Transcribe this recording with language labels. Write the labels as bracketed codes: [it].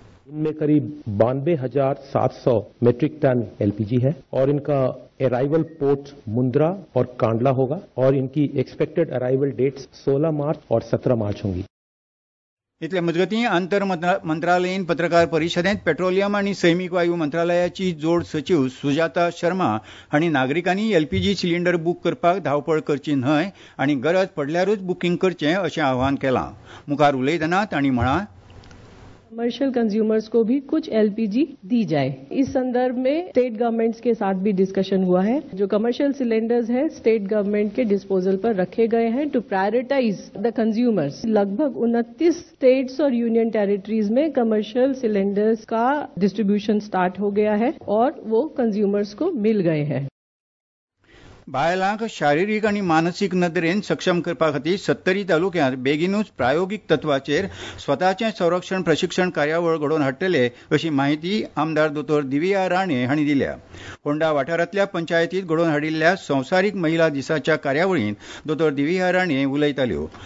[hi] इनमें करीब 92,700 metric ton LPG है और इनका अराइवल पोर्ट मुंद्रा और कांडला होगा और इनकी एक्सपेक्टेड अराइवल डेट्स 16 मार्च और 17 मार्च होंगी। [gom] इतले मजगती आंतर मंत्रालयीन पत्रकार परिषदेत पेट्रोलियम आणि सैमीक वायू मंत्रालयाची जोड सचिव सुजाता शर्मा हांणी नागरिकांनी एलपीजी सिलिंडर बुक करपाक धावपळ करची न्हय आणि गरज पडल्यारूच बुकिंग करचे असे आवाहन केला। मुखार उलयताना तांणी म्हळां, [hi] कमर्शियल कंज्यूमर्स को भी कुछ एलपीजी दी जाए, इस संदर्भ में स्टेट गवर्नमेंट्स के साथ भी डिस्कशन हुआ है। जो कमर्शियल सिलेंडर्स है स्टेट गवर्नमेंट के डिस्पोजल पर रखे गए हैं [en] To prioritize the consumers. [hi] लगभग 29 स्टेट्स और यूनियन टेरिटरीज में कमर्शियल सिलेंडर्स का डिस्ट्रीब्यूशन स्टार्ट हो गया है और वो कंज्यूमर्स को मिल गए हैं। [gom] बायलांक शारीरिक आणि मानसिक नदरेन सक्षम करपा खातीर सत्तरी तालुक्यांत बेगीनूच प्रायोगिक तत्वाचेर स्वताचे संरक्षण प्रशिक्षण कार्यावळ घडोवन हाडटले अशी माहिती आमदार दोतोर दिव्या राणे हांणी दिल्या. होंडा वाठारांतल्या पंचायतीत घडोवन हाडिल्ल्या संवसारीक महिला दिसाच्या कार्यावळीत दोतोर दिव्या राणे उलयताल्यो.